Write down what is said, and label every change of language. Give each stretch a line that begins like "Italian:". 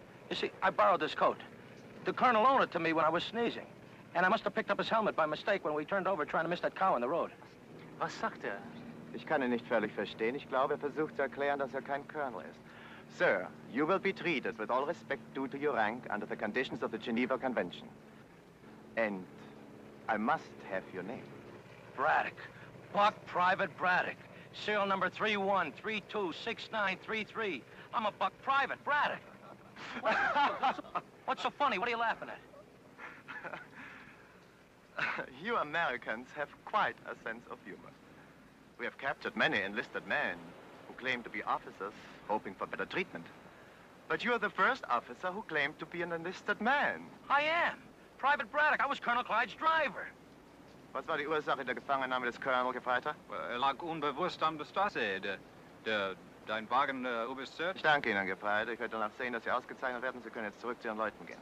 English: You see, I borrowed this coat. The colonel loaned it to me when I was sneezing. And I must have picked up his helmet by mistake when we turned over trying to miss that cow in the road.
German: Was sagt er? Ich kann ihn nicht völlig verstehen. Ich glaube, er versucht zu erklären, dass er kein Colonel ist.
English: Sir, you will be treated with all respect due to your rank under the conditions of the Geneva Convention. And I must have your name. Braddock. Buck Private Braddock. Serial number 31326933. I'm a Buck Private Braddock. What's so funny? What are you laughing at? You Americans have quite a sense of humor. We have captured many enlisted men who claim to be officers, hoping for better treatment. But you are the first officer who claimed to be an enlisted man. I am. Private Braddock. I was Colonel Clyde's driver.
German: Was war die Ursache der Gefangennahme des Colonel Gefreiter? Er lag unbewusst an der Straße. Dein Wagen übersetzt. Ich danke Ihnen, Gefreiter. Ich werde danach sehen, dass Sie ausgezeichnet werden. Sie können jetzt zurück zu Ihren Leuten gehen.